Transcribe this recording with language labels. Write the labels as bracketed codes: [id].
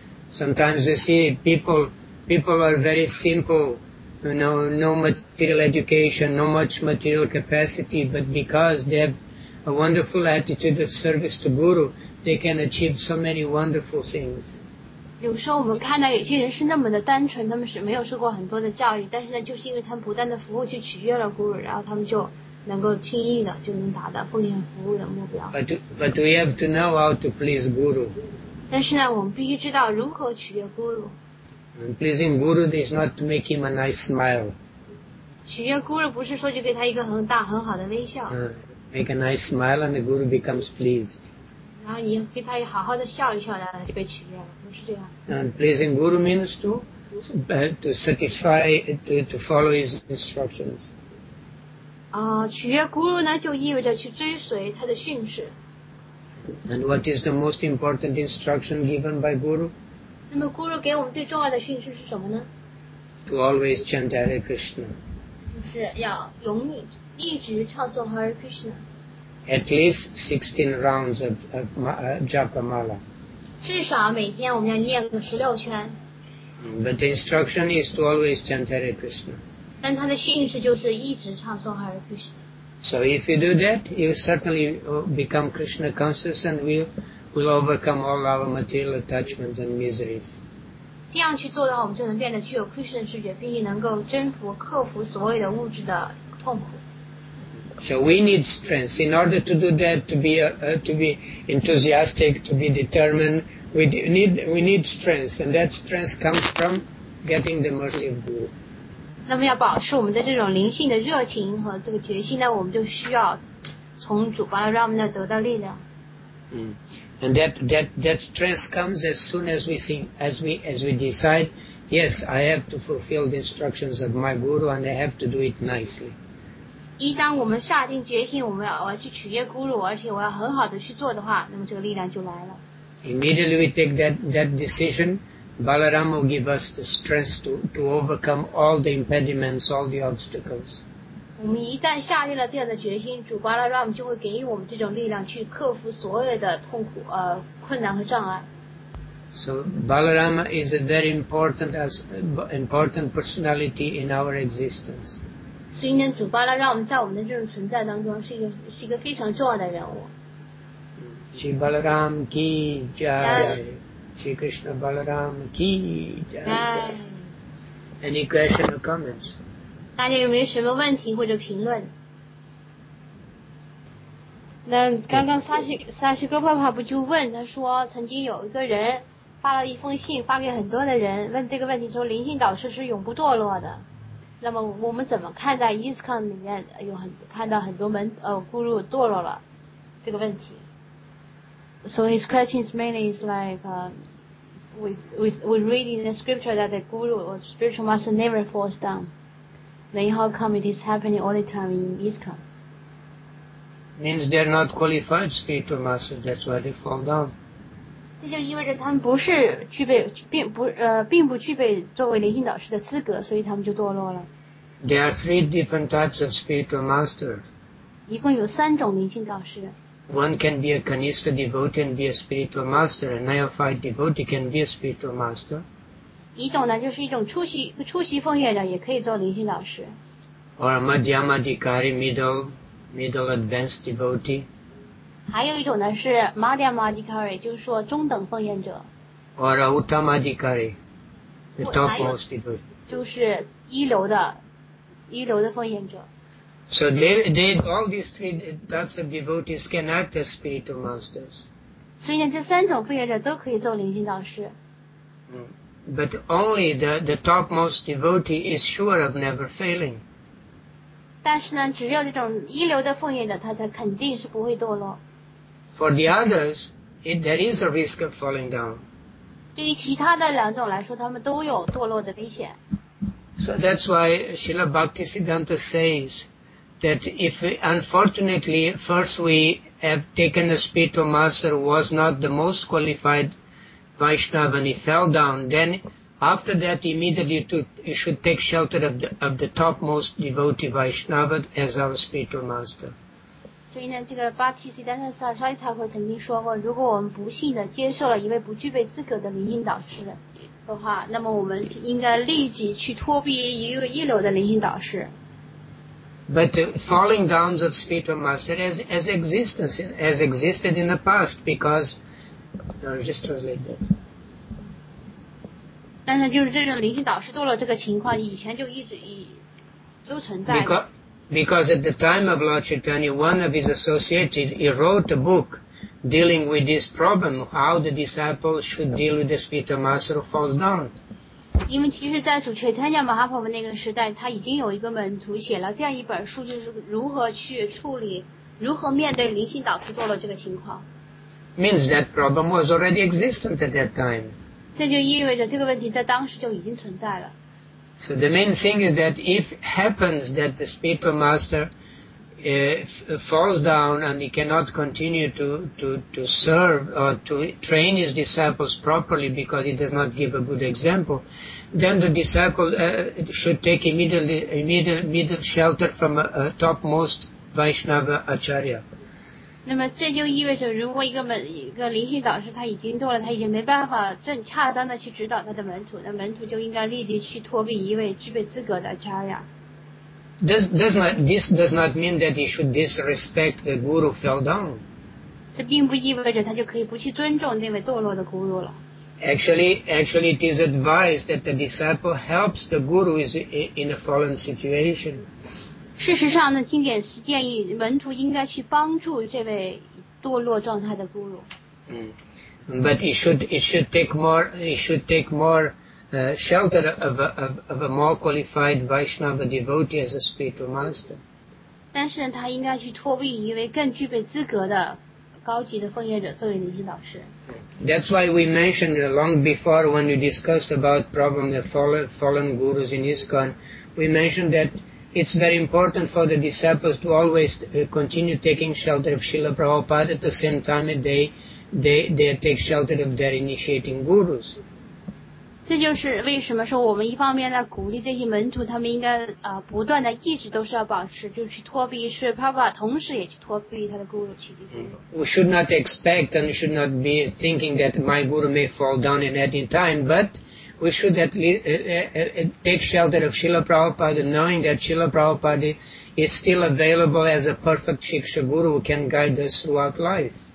[en] Sometimes you see people are very simple, you know, no material education, no much material capacity, but because they have a wonderful attitude of service to Guru, they can achieve so many wonderful things. [zh] 有时候我们看到有些人是那么的单纯，他们是没有受过很多的教育，但是呢，就是因为他们不断的服务去取悦了 Guru， 然后他们就能够轻易的就能达到奉献服务的目标。 [en] But we have to know how to please Guru. [zh] 但是呢，我们必须知道如何取悦 Guru. [en] And pleasing Guru is not to make him a nice smile. [zh] 取悦 Guru 不是说就给他一个很大很好的微笑。 [en] Make a nice smile and the Guru becomes pleased. [zh] 然后你给他好好的笑一笑，然后就被取悦了，不是这样。 [en] And pleasing Guru means to satisfy, to follow his instructions. [zh] 取悦 Guru 呢，就意味着去追随他的训示。 [en] And what is the most important instruction given by Guru? [zh] 那么 Guru 给我们最重要的训示是什么呢？ [en] To always chant Hare Krishna. [zh] 就是要永远一直唱诵 Hare Krishna. [en] At least 16 rounds of japa mala. [zh] 至少每天我们要念个16圈。 [en] But the instruction is to always chant Hare Krishna. [zh] 但他的训示就是一直唱诵 Hare Krishna. [en] So if you do that, you certainly become Krishna conscious and will overcome all our material attachments and miseries. [zh] 这样去做的话，我们就能变得具有 Krishna 知觉，并且能够征服、克服所谓的物质的痛苦。 [en] So we need strength. In order to do that, to be enthusiastic, to be determined, we need strength. And that strength comes from getting the mercy of Guru. [zh] 那么要保持我们的这种灵性的热情和这个决心呢，我们就需要从主巴拉让我们得到力量。 [en] And that strength comes as soon as we decide, yes, I have to fulfill the instructions of my Guru and I have to do it nicely. [zh] 一旦我们下定决心，我要去取悦 Guru， 而且我要很好的去做的话，那么这个力量就来了。 [en] Immediately we take that decision, Balaram will give us the strength to overcome all the impediments, all the obstacles. [zh] 我们一旦下定了这样的决心，主 Balaram 就会给予我们这种力量去克服所有的痛苦、困难和障碍。 [en] So Balaram is a very important personality in our existence. [zh] 所以呢，主巴拉让我们在我们的这种存在当中是一个非常重要的人物。 [hi] Shri Balaram ki jai. Shri Krishna Balaram ki jai. [en] Any question or comments? [zh] 大家有没有什么问题或者评论？那刚刚萨西哥爸爸不就问，他说曾经有一个人发了一封信发给很多的人，问这个问题说灵性导师是永不堕落的。那么我们怎么看待 ISKCON 里面有很看到很多门guru 堕落了这个问题 ？ [en] So his question is mainly is like with reading the scripture that the guru or spiritual master never falls down. Then how come it is happening all the time in ISKCON? Means they're not qualified spiritual masters. That's why they fall down. [zh] 这就意味着他们不是具备 并不具备作为灵性导师的资格，所以他们就堕落了。 [en] There are three different types of spiritual master. [zh] 一共有三种灵性导师。 [en] One can be a Kanista devotee and be a spiritual master. A neophyte devotee can be a spiritual master. [zh] 一种呢就是一种初期奉献者也可以做灵性导师。 [en] Or a Madhyamadhikari, middle advanced devotee. [zh] 还有一种呢是 Madhyamadhikari, 就是说中等奉献者。 [en] Or a Uttamadhikari, the topmost devotee. [zh] 就是一流的奉献者。 [en] So they all these three types of devotees can act as spiritual masters. [zh] 所以呢，这三种奉献者都可以做灵性导师。 [en] But only the topmost devotee is sure of never failing. [zh] 但是呢，只有这种一流的奉献者，他才肯定是不会堕落。 [en] For the others, there is a risk of falling down. [zh] 对于其他的两种来说，他们都有堕落的危险。 [en] So that's why Srila Bhaktisiddhanta says. That if unfortunately first we have taken a spiritual master who was not the most qualified Vaishnava and he fell down, then after that immediately you should take shelter of the topmost devotee Vaishnava as our spiritual master. [zh] 所以呢，这个巴提西丹特萨沙利塔会曾经说过，如果我们不幸的接受了一位不具备资格的灵性导师的话，那么我们应该立即去托庇一个一流的灵性导师。 [en] But the falling down of spiritual master has existed in the past because, just translate that. [zh] 但是就是这种灵性导师堕落这个情况，以前就都存在。 [en] Because at the time of Lord Chaitanya, one of his associates, he wrote a book dealing with this problem, how the disciples should deal with the spiritual master who falls down. [zh] 因为其实在主持参加马哈婆们那个时代，他已经有一个门徒写了这样一本书，就是如何去处理，如何面对灵性导师堕落这个情况。 [en] Means that problem was already existent at that time. [zh] 这就意味着这个问题在当时就已经存在了。 [en] So the main thing is that if happens that the spiritual master falls down and he cannot continue to serve or to train his disciples properly because he does not give a good example, then the disciple should take immediate shelter from a topmost Vaishnava Acharya. [zh] 那么这就意味着，如果一个灵性导师他已经堕落，他已经没办法正恰当的去指导他的门徒，那门徒就应该立即去托庇一位具备资格的 Acharya。 [en] This does not mean that he should disrespect the guru who fell down. [zh] 这并不意味着他就可以不去尊重那位堕落的 guru 了。 [en] Actually, it is advised that the disciple helps the guru is in a fallen situation. [zh] 事实上呢，经典是建议门徒应该去帮助这位堕落状态的 guru。 [en] But it should take more. Shelter of a more qualified Vaishnava devotee as a spiritual master. [zh] 但是他应该去托庇一位更具备资格的高级的奉献者作为灵性导师。 [en] That's why we mentioned long before when we discussed about problem the fallen gurus in ISKCON, we mentioned that it's very important for the disciples to always continue taking shelter of Srila Prabhupada at the same time that they take shelter of their initiating gurus. [zh] 这就是为什么说我们一方面在鼓励这些门徒，他们应该不断的一直都是要保持，就去托庇释迦牟尼佛，同时也去托庇他的 guru 启迪。 [en] We should not expect and should not be thinking that my guru may fall down in any time, but we should at least take shelter of Srila Prabhupada, knowing that Srila Prabhupada is still available as a perfect shiksha guru who can guide us throughout life.